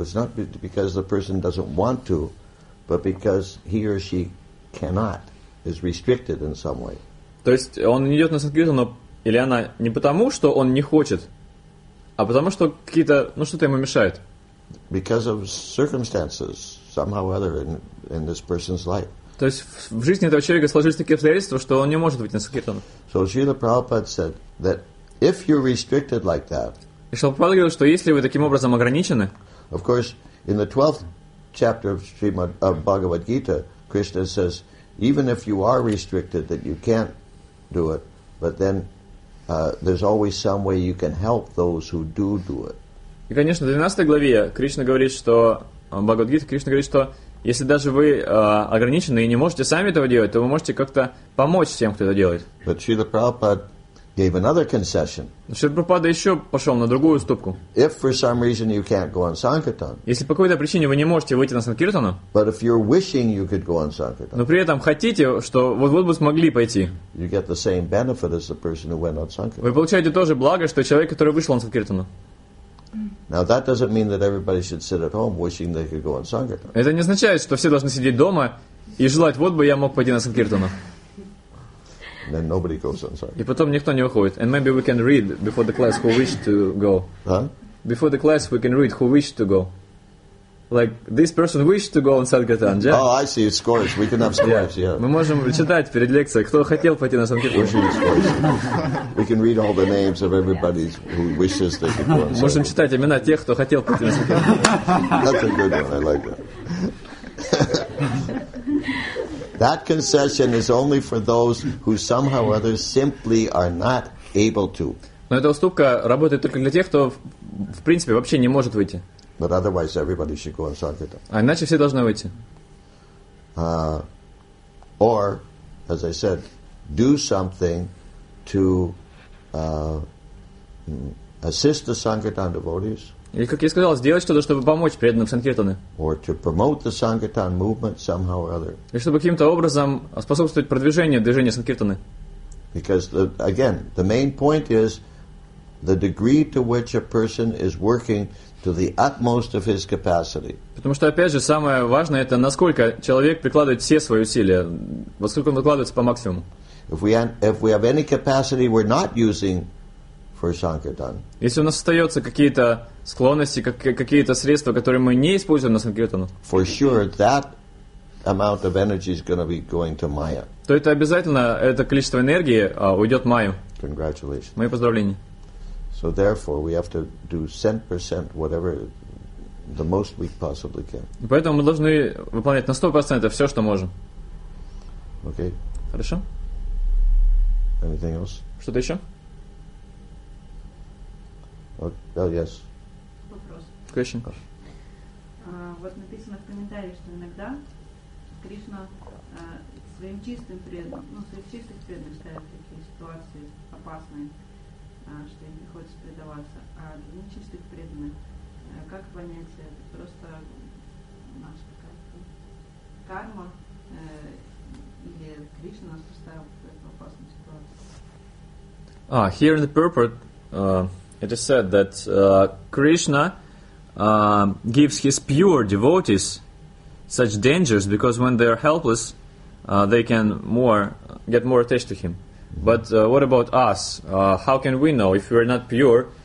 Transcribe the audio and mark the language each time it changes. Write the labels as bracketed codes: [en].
[en] It's not because the person doesn't want to, but because he or she cannot, is restricted in some way. [ru] То есть он не идет на санкиртану или она не потому, что он не хочет, а потому что какие-то, ну что-то ему мешает. [en] Because of circumstances. Somehow or other in this person's life. [ru] То есть в жизни этого человека сложились такие обстоятельства, что он не может быть на санкиртане. [en] So Srila Prabhupada said that if you're restricted like that. [ru] И Шрила Прабхупада говорил, что если вы таким образом ограничены. [en] Of course, in the 12th chapter of Srimad Bhagavad Gita, Krishna says, even if you are restricted, that you can't do it, but then there's always some way you can help those who do it. [ru] И конечно, в 12 главе Кришна говорит, что Бхагавад-гита, Кришна говорит, что если даже вы ограничены и не можете сами этого делать, то вы можете как-то помочь тем, кто это делает. [en] But Srila Prabhupada gave another concession. [ru] Srila Prabhupada еще пошел на другую уступку. [en] If for some reason you can't go on sankirtan. [ru] Если по какой-то причине вы не можете выйти на санкиртану. [en] But if you're wishing you could go on sankirtan. [ru] Но при этом хотите, что вот-вот бы смогли пойти. [en] You get the same benefit as the person who went on sankirtan. [ru] Вы получаете то же благо, что человек, который вышел на санкиртану. [en] Now that doesn't mean that everybody should sit at home wishing they could go on sankirtan. [ru] Это не означает, что все должны сидеть дома и желать, вот бы я мог пойти на санкиртану. [en] Then nobody goes on sankirtan. [ru] И потом никто не выходит. [en] And maybe we can read before the class who wished to go. Huh? Before the class we can read who wished to go. Like this person wished to go on sankirtan. Yeah? Oh, I see. Scores. We can have scores. Yeah. [ru] Мы можем читать перед лекцией, кто хотел пойти на санкиртану. [en] We can read all the names of everybody who wishes they could go on sankirtan. [ru] Можем читать имена тех, кто хотел пойти на санкиртану. [en] That's a good one. I like that. That concession is only for those who somehow or other simply are not able to. [ru] Но эта уступка работает только для тех, кто в принципе вообще не может выйти. [en] But otherwise, everybody should go on sankirtan. [ru] А иначе все должны выйти. [en] Or, as I said, do something to assist the Sankirtan devotees. [ru] Или, как я сказал, сделать что-то, чтобы помочь преданным Санкиртаны. [en] Or to promote the Sankirtan movement somehow or other. [ru] И чтобы каким-то образом способствовать продвижению движения Санкиртаны. [en] Because, the, again, the main point is the degree to which a person is working to the utmost of his capacity. [ru] Потому что, опять же, самое важное, это насколько человек прикладывает все свои усилия, во сколько он выкладывается по максимуму. [en] If we have any capacity we're not using for Sankirtan. [ru] Если у нас остаются какие-то склонности, какие-то средства, которые мы не используем на Санкиртану. [en] For sure, that amount of energy is going to be going to Maya. [ru] То это обязательно, это количество энергии уйдет Майю. [en] Congratulations. [ru] Мои поздравления. [en] So therefore, we have to do 10% whatever the most we possibly can. [ru] Поэтому мы должны выполнять на 100% все, что можем. [en] Okay. [ru] Хорошо. [en] Anything else? [ru] Что-то еще? [en] Oh, yes. [ru] Вопрос. [en] Question. [ru] Вот написано в комментариях, что иногда Кришна своим чистым преданным, ну, своих чистых преданных ставит такие ситуации опасные, что им приходится предаваться. А для нечистых преданных, как понять, это просто наша какая-то карма или Кришна нас поставил в опасную ситуацию? [en] Here in the purport, it is said that Krishna gives his pure devotees such dangers because when they are helpless, they can get more attached to him. But what about us? How can we know if we are not pure?